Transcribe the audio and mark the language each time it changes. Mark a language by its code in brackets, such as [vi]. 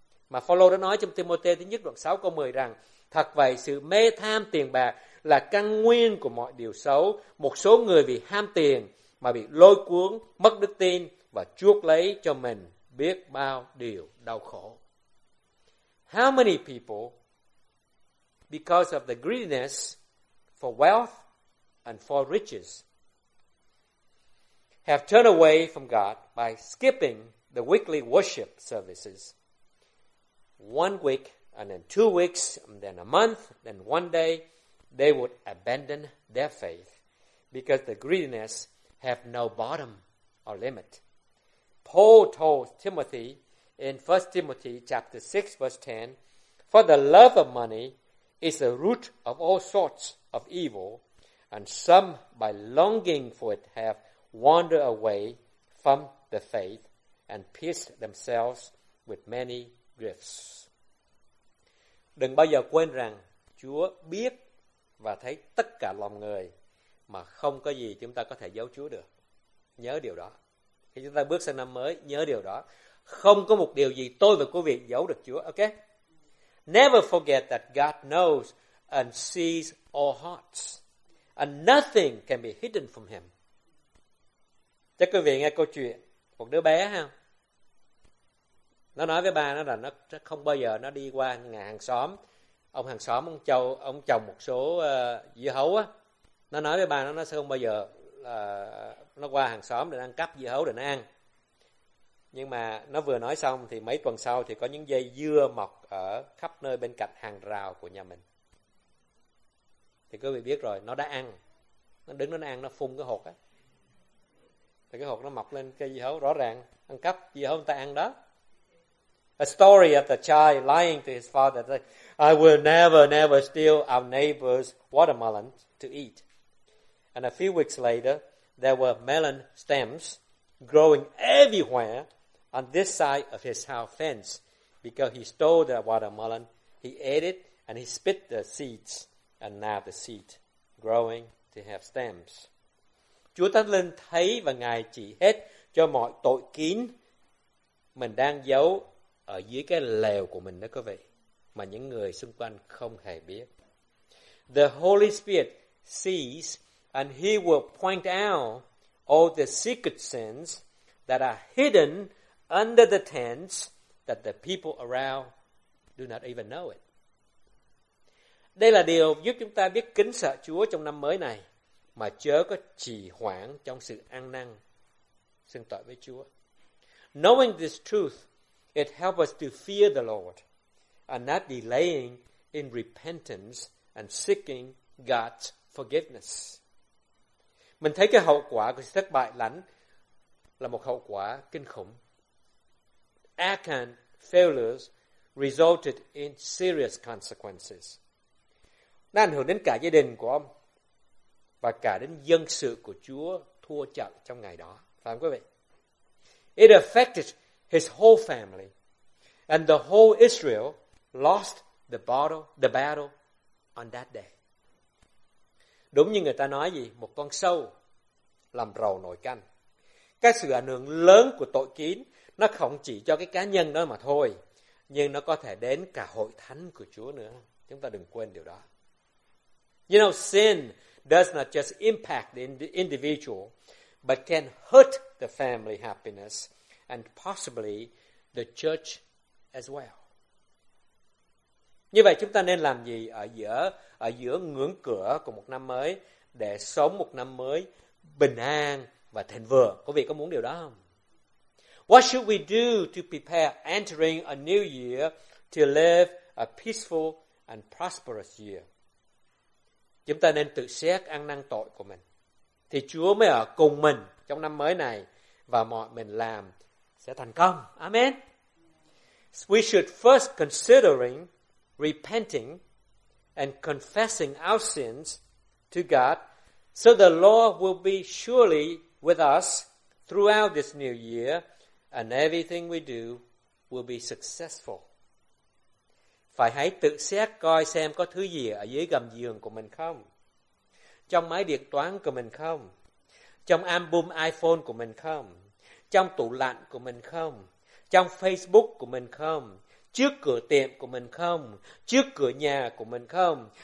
[vi] Mà Phaolô đã nói trong Timôthê thứ nhất đoạn 6 câu 10 rằng, thật vậy, sự mê tham tiền bạc là căn nguyên của mọi điều xấu. Một số người vì ham tiền mà bị lôi cuốn, mất đức tin và chuốc lấy cho mình biết bao điều đau khổ. [en] How many people, because of the greediness for wealth and for riches, have turned away from God by skipping the weekly worship services? 1 week, and then 2 weeks, and then a month, then one day, they would abandon their faith because the greediness have no bottom or limit. Paul told Timothy in 1 Timothy chapter 6, verse 10, for the love of money is the root of all sorts of evil, and some by longing for it have wandered away from the faith and pierced themselves with many griefs. [vi] Đừng bao giờ quên rằng Chúa biết và thấy tất cả lòng người, mà không có gì chúng ta có thể giấu Chúa được. Nhớ điều đó. Khi chúng ta bước sang năm mới, nhớ điều đó. Không có một điều gì tôi và quý vị giấu được Chúa, ok? [en] Never forget that God knows and sees all hearts, and nothing can be hidden from Him. [vi] Chắc quý vị nghe câu chuyện một đứa bé ha. Nó nói với ba nó là nó không bao giờ nó đi qua nhà hàng xóm ông châu ông trồng một số dưa hấu á. Nó nói với ba nó sẽ không bao giờ nó qua hàng xóm để ăn cắp dưa hấu để nó ăn. Nhưng mà nó vừa nói xong thì mấy tuần sau thì có những dây dưa mọc ở khắp nơi bên cạnh hàng rào của nhà mình. Thì quý vị biết rồi, nó đã ăn. Nó đứng nó ăn, nó phun cái hột á. Thì cái hột nó mọc lên cây dưa hấu rõ ràng, ăn cắp dưa hấu người ta ăn đó. [en] A story of the child lying to his father that I will never steal our neighbor's watermelon to eat. And a few weeks later, there were melon stems growing everywhere on this side of his house fence because he stole the watermelon, he ate it, and he spit the seeds, and now the seed growing to have stems. [vi] Chúa Thánh Linh thấy và Ngài chỉ hết cho mọi tội kín mình đang giấu ở dưới cái lều của mình đó quý vị, mà những người xung quanh không hề biết. [en] The Holy Spirit sees and He will point out all the secret sins that are hidden under the tents that the people around do not even know it. [vi] Đây là điều giúp chúng ta biết kính sợ Chúa trong năm mới này, mà chớ có trì hoãn trong sự ăn năn xưng tội với Chúa. [en] Knowing this truth, it helps us to fear the Lord and not delaying in repentance and seeking God's forgiveness. [vi] Mình thấy cái hậu quả của sự thất bại lãnh là một hậu quả kinh khủng. [en] Achan's failures resulted in serious consequences. [vi] Nó ảnh hưởng đến cả gia đình của ông và cả đến dân sự của Chúa thua trận trong ngày đó. Phải không quý vị? [en] It affected his whole family and the whole Israel lost the battle on that day. [vi] Đúng như người ta nói gì, một con sâu làm rầu nồi canh. cái sự ảnh hưởng lớn của tội kín nó không chỉ cho cái cá nhân đó mà thôi, nhưng nó có thể đến cả hội thánh của Chúa nữa. Chúng ta đừng quên điều đó. [en] You know, sin does not just impact the individual, but can hurt the family happiness and possibly the church as well. [vi] Như vậy chúng ta nên làm gì ở giữa ngưỡng cửa của một năm mới để sống một năm mới bình an và thịnh vượng? Quý vị có muốn điều đó không? [en] What should we do to prepare entering a new year to live a peaceful and prosperous year? [vi] Chúng ta nên tự xét ăn năn tội của mình. Thì Chúa mới ở cùng mình trong năm mới này và mọi mình làm sẽ thành công. Amen. [en] We should first considering repenting and confessing our sins to God so the Lord will be surely with us throughout this new year and everything we do will be successful. [vi] Phải hãy tự xét coi xem có thứ gì ở dưới gầm giường của mình không? Trong máy điện toán của mình không? Trong album iPhone của mình không? Trong tủ lạnh của mình không? Trong Facebook của mình không? Trước cửa tiệm của mình không? Trước cửa nhà của mình không?